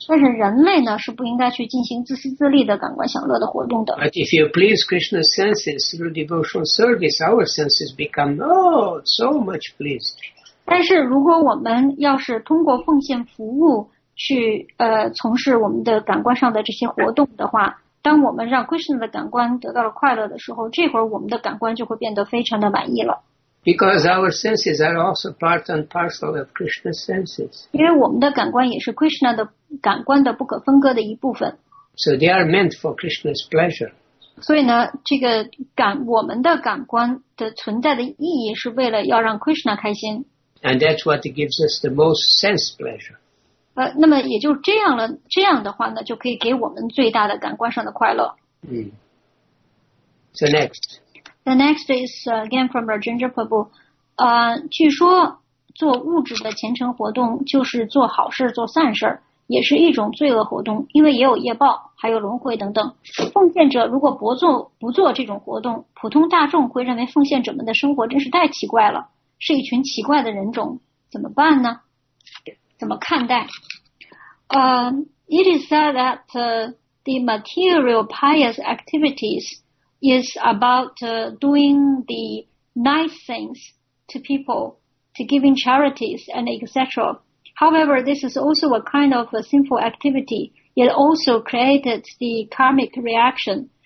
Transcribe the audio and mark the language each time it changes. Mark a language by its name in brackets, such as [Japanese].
[Chinese] 但是人类呢是不应该去进行自私自利的感官享乐的活动的。 [English] But if you please Krishna's senses through devotional service, our senses become so much pleased. [Chinese] 但是如果我们要是通过奉献服务去从事我们的感官上的这些活动的话，当我们让 Krishna 的感官得到了快乐的时候，这会儿我们的感官就会变得非常的满意了。 [English] Because our senses are also part and parcel of Krishna's senses. [Chinese] 因为我们的感官也是 Krishna 的感官的不可分割的一部分。 [English] So they are meant for Krishna's pleasure. [Chinese] 所以呢，这个感我们的感官的存在的意义是为了要让 Krishna 开心。 [English] And that's what gives us the most sense pleasure. [Chinese] 那么也就这样了，这样的话呢，就可以给我们最大的感官上的快乐。 [English] So next. The next is again from Rajendra Prabhu. [Chinese] 据说做物质的虔诚活动就是做好事做善事，也是一种罪恶活动，因为也有业报，还有轮回等等。奉献者如果不做这种活动，普通大众会认为奉献者们的生活真是太奇怪了，是一群奇怪的人种，怎么办呢？怎么看待？ [English] It is said that the material pious activitiesis about doing the nice things to people, to giving charities and etc. However, this is also a kind of a sinful activity. It also created the karmic reaction.